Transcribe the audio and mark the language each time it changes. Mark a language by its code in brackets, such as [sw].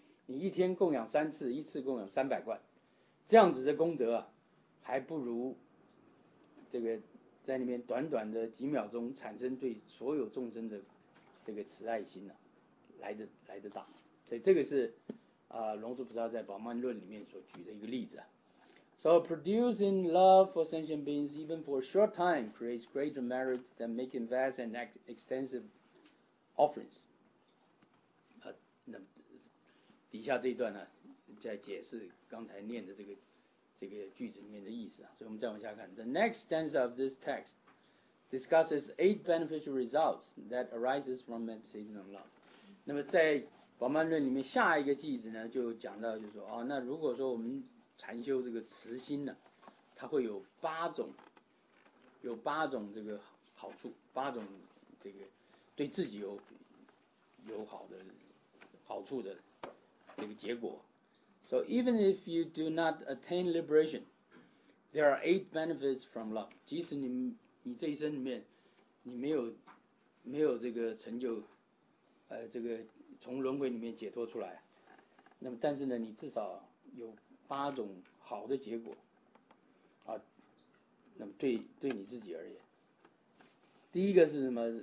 [zh] 你一天供养3次，一次供养300罐，这样子的功德啊，还不如这个在里面短短的几秒钟产生对所有众生的这个慈爱心呢、啊，来得大。所以这个是龙树菩萨在宝曼论里面所举的一个例子啊。 [en] So producing love for sentient beings, even for a short time, creates greater merit than making vast and extensive offerings. [zh] 那底下这一段呢，在解释刚才念的这个句子里面的意思啊。所以我们再往下看。 [en] The next stanza of this text discusses 8 beneficial results that arises from meditation on love. [zh] 那么在宝曼论里面下一个句子呢，就讲到就是说，哦，那如果说我们禅修这个慈心呢，它会有八种这个好处，八种这个对自己有好的好处的这个结果。 [en] So even if you do not attain liberation, there are 8 benefits from love. [zh] 即使你这一生里面你没有这个成就，这个从轮回里面解脱出来，那么但是呢，你至少有八种好的结果啊，那么对你自己而言，第一个是什么？